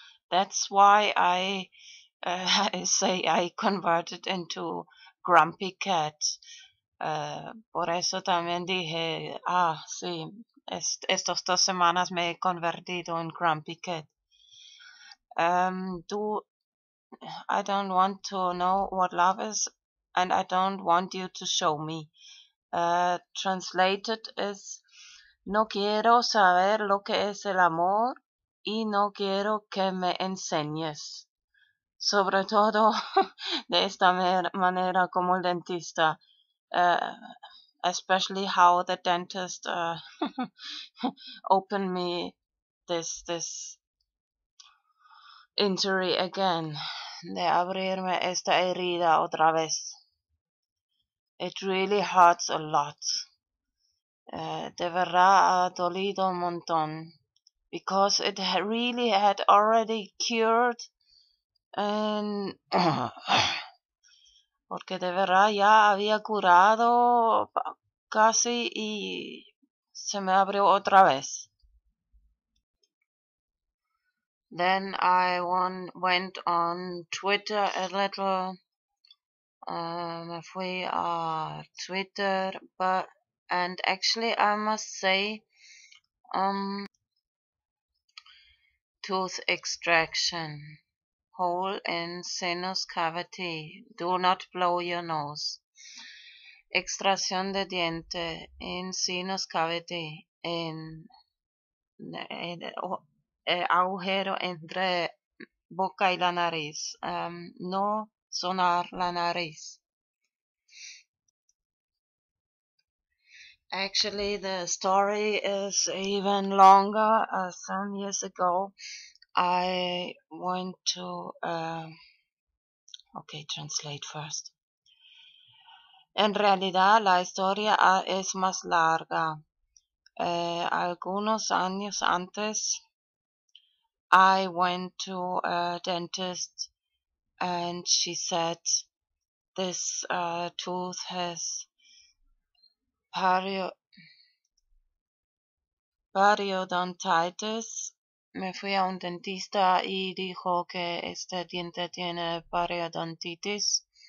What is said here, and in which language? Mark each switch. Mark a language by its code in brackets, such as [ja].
[en] That's why I say I converted into Grumpy Cat. [es] Por eso también dije, sí, estas dos semanas me he convertido en Grumpy Cat. [en] I don't want to know what love is, and I don't want you to show me. Translated is, [es] no quiero saber lo que es el amor y no quiero que me enseñes. Sobre todo de esta manera como el dentista. [en] Especially how the dentist opened me this injury again. [es] De abrirme esta herida otra vez. [en] It really hurts a lot. [es] De verdad ha dolido un montón. [en] Because it really had already cured. [es] And porque de verdad ya había curado casi y se me abrió otra vez. [en] Then I went on Twitter a little. [es] Me fui a Twitter, but [en] And actually, I must say, tooth extraction, hole in sinus cavity, do not blow your nose. [es] Extracción de diente [en] in sinus cavity, [es] en agujero entre boca y la nariz, no sonar la nariz. [en] Actually, the story is even longer. Some years ago, I went to, okay, translate first. [es] En realidad, la historia es más larga. Algunos años antes, [en] I went to a dentist and she said this tooth has periodontitis. [es] Me fui a un dentista y dijo que este diente tiene periodontitis.